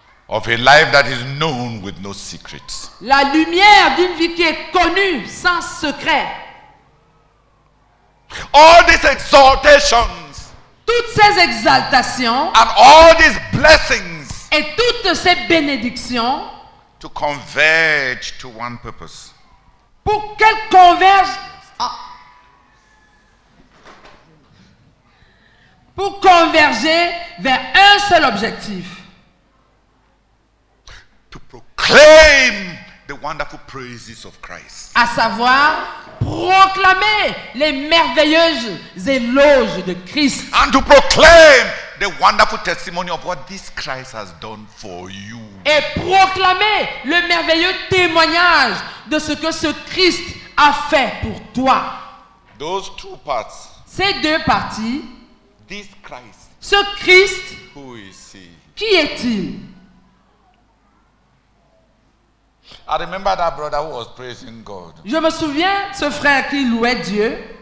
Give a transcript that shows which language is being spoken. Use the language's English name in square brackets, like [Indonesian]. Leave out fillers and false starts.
[English] Of a life that is known with no secrets. [French] La lumière d'une vie qui est connue sans secret. [English] All these exaltations. [French] Toutes ces exaltations. [English] And all these blessings. [French] Et toutes ces bénédictions. [English] To converge to one purpose. [French] Pour qu'elles convergent. Pour converger vers un seul objectif. [English] Claim the wonderful praises of Christ. [French] À savoir, proclamer les merveilleuses éloges de Christ. [English] And to proclaim the wonderful testimony of what this Christ has done for you. [French] Et proclamer le merveilleux témoignage de ce que ce Christ a fait pour toi. [English] Those two parts. [French] Ces deux parties. [English] This Christ. [French] Ce Christ. [English] Who is he? [French] Qui est-il? [English] I remember that brother who was praising God. [French] Je me souviens ce frère qui louait Dieu.